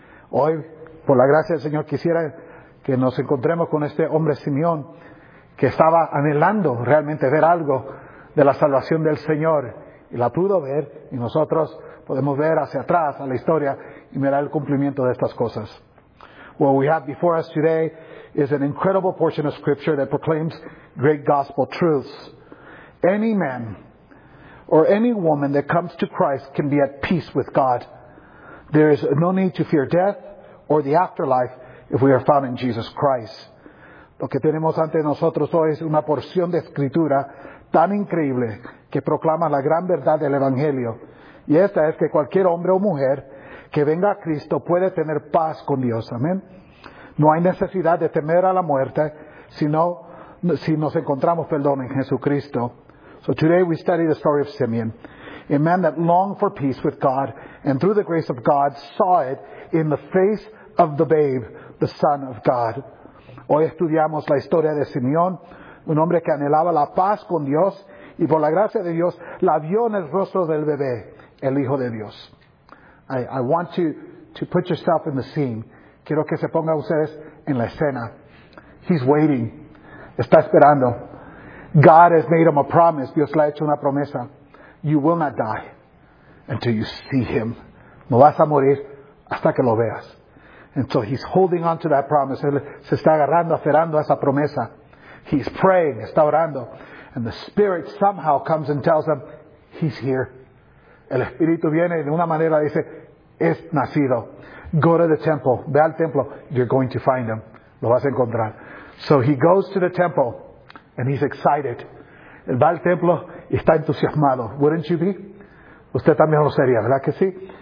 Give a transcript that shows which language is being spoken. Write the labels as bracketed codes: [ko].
[es] Hoy, por la gracia del Señor, quisiera que nos encontremos con este hombre Simeón, que estaba anhelando realmente ver algo de la salvación del Señor. Y la pudo ver, y nosotros podemos ver hacia atrás a la historia y mirar el cumplimiento de estas cosas. [en] What we have before us today is an incredible portion of Scripture that proclaims great gospel truths. Any man or any woman that comes to Christ can be at peace with God. There is no need to fear death or the afterlife if we are found in Jesus Christ. [es] Lo que tenemos ante nosotros hoy es una porción de Escritura tan increíble que proclama la gran verdad del Evangelio. Y esta es que cualquier hombre o mujer que venga a Cristo puede tener paz con Dios. Amén. No hay necesidad de temer a la muerte sino si nos encontramos, perdón, en Jesucristo. [en] So today we study the story of Simeon, a man that longed for peace with God and through the grace of God saw it in the face of the babe, the Son of God. [es] Hoy estudiamos la historia de Simeón, un hombre que anhelaba la paz con Dios y por la gracia de Dios la vio en el rostro del bebé, el Hijo de Dios. [en] I want you to put yourself in the scene. [es] Quiero que se pongan ustedes en la escena. [en] He's waiting. [es] Está esperando. [en] God has made him a promise. [es] Dios le ha hecho una promesa. [en] You will not die until you see him. [es] No vas a morir hasta que lo veas. [en] And so he's holding on to that promise. [es] Él se está agarrando, aferrando a esa promesa. [en] He's praying, [es] está orando. [en] And the Spirit somehow comes and tells him, he's here. [es] El Espíritu viene y de una manera dice, es nacido. [en] Go to the temple. [es] Ve al templo. [en] You're going to find him. [es] Lo vas a encontrar. [en] So he goes to the temple and he's excited. [es] Él va al templo y está entusiasmado. [en] Wouldn't you be? [es] Usted también lo sería, ¿verdad que sí?